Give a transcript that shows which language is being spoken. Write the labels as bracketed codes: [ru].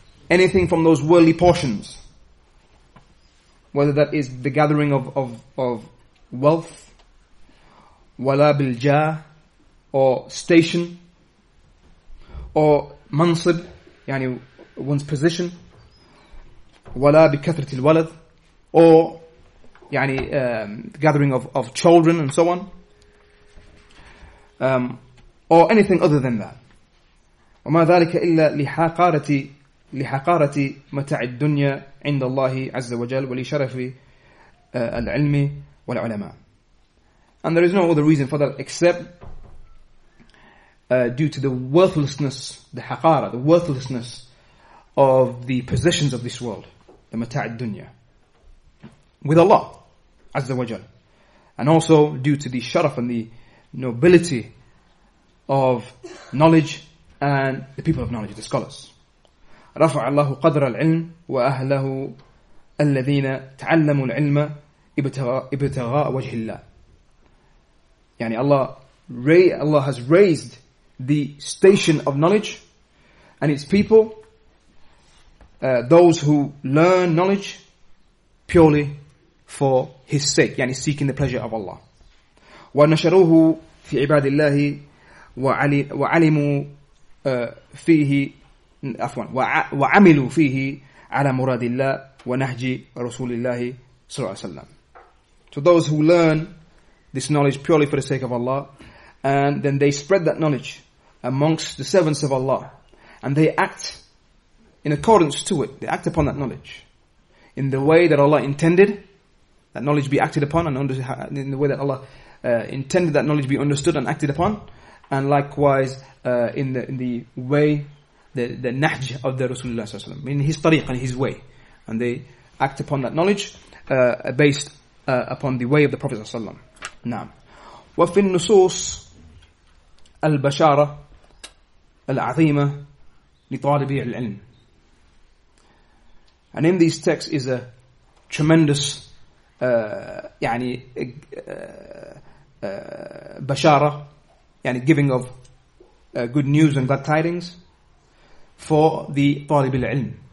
[en] anything from those worldly portions, whether that is the gathering of wealth, [ar] ولا بالجاء, [en] or station, or منصب, يعني one's position, [ar] ولا بكثرة الولد, [en] or يعني the gathering of children and so on, or anything other than that. [ar] وما ذلك إلا لحقارة متاع الدنيا عند الله عز وجل ولشرف العلم والعلماء. [en] And there is no other reason for that except due to the worthlessness, the حقارة, the worthlessness of the possessions of this world, the [ar] متاع الدنيا, [en] with Allah Azza wa Jal. And also due to the sharaf and the nobility of knowledge and the people of knowledge, the scholars. [ar] رفع الله قدر العلم وأهله الذين تعلموا العلم ابتغاء وجه الله. [en] يعني Allah has raised the station of knowledge and its people, those who learn knowledge purely for his sake, yani seeking the pleasure of Allah. [ar] وَنَشَرُوهُ فِي عِبَادِ اللَّهِ وَعَلِمُوا فِيهِ أَفْوَانَ وَعَمِلُوا فِيهِ عَلَى مُرَادِ اللَّهِ وَنَهْجِ رَسُولِ اللَّهِ صَلَّى اللَّهُ عَلَيْهِ وَسَلَّمَ. [en] To those who learn this knowledge purely for the sake of Allah, and then they spread that knowledge amongst the servants of Allah, and they act in accordance to it, they act upon that knowledge in the way that Allah intended that knowledge be acted upon, and in the way that Allah intended that knowledge be understood and acted upon, and likewise in the way, the nahj of the Rasulullah sallallahu alaihi wasallam, in his tariq and his way, and they act upon that knowledge based upon the way of the Prophet sallallahu alaihi wasallam. [ar] Now, وفي النصوص البشارة العظيمة لطالبي العلم. [en] And in these texts is a tremendous bashara, yani giving of good news and glad tidings for the talib al-ilm.